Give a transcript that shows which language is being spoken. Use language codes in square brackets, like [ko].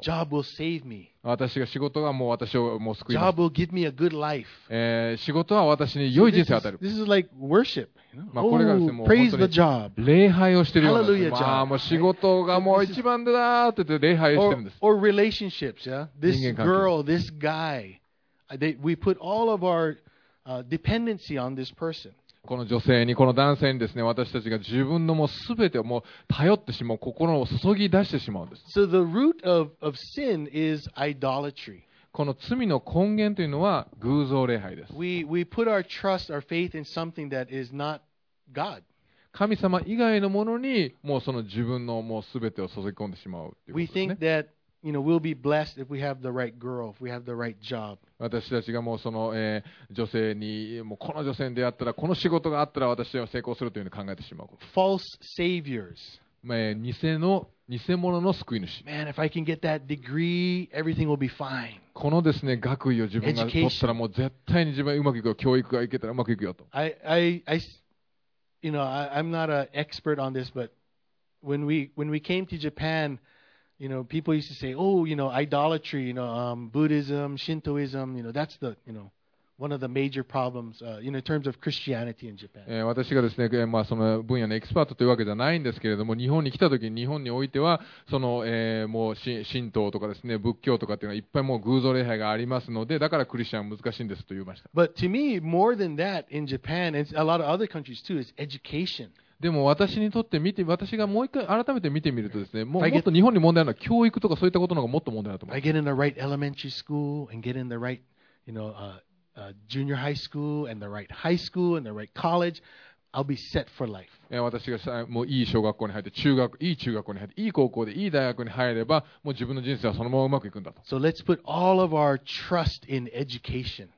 [en] Job will save me. [ja] 私が仕事がもう私をもう救います。 [en] Job will give me a good life. [ja] 仕事は私に良い人生を与える。 [en] This is like worship. [ja] まあこれがですね、もう本当に礼拝をしているようなんです。まあもう仕事がもう一番だなって言って礼拝をしているんです。 [en] Or relationships, yeah. This girl, this guy, we put all of our dependency on this person. [ja] この女性に、この男性にですね、私たちが自分のもう全てをもう頼ってしまう、心を注ぎ出してしまうんです。 [en] So the root of sin is idolatry. [ja] この罪の根源というのは偶像礼拝です。 [en] We put our trust, our faith in something that is not God. [ja] 神様以外のものにもうその自分のもう全てを注ぎ込んでしまうということですね。 [en] We think that, you know, we'll be blessed if we have the right girl, if we have the right job. [ja] 私たちがもうその、女性にもうこの女性に出会ったらこの仕事があったら私は成功するというふうに考えてしまう。 [en] False saviors、 [ja] 偽物の救い主。 [en] Man, if I can get that degree, everything will be fine. [ja] このですね、学位を自分が取ったらもう絶対に自分がうまくいくよ、教育がいけたらうまくいくよと。 [en] I you know, I'm not an expert on this, but when we came to Japan,You know, people used to say, oh, you know, idolatry, you know, Buddhism, Shintoism, you know, that's the, you know, one of the major problems, you know, in terms of Christianity in Japan. [ja] 私がですね、まあ、その分野のエキスパートというわけじゃないんですけれども、日本に来た時に、日本においては、その、もう神道とかですね、仏教とかっていうのはいっぱいもう偶像礼拝がありますので、だからクリスチャン難しいんですと言いました。 [en] But to me, more than that in Japan, and a lot of other countries too, is education. [ja] でも私にとって見て、私がもう一回改めて見てみるとですね、もっと日本に問題あるのは教育とかそういったことの方がもっと問題だと思う。 [en] I get in the right elementary school and get in the right, you know, junior high school and the right high school and the right college, I'll be set for life. [ja] 私がもういい小学校に入って、いい中学校に入って、いい高校でいい大学に入れば、もう自分の人生はそのままうまくいくんだと。 [en] So let's put all of our trust in education.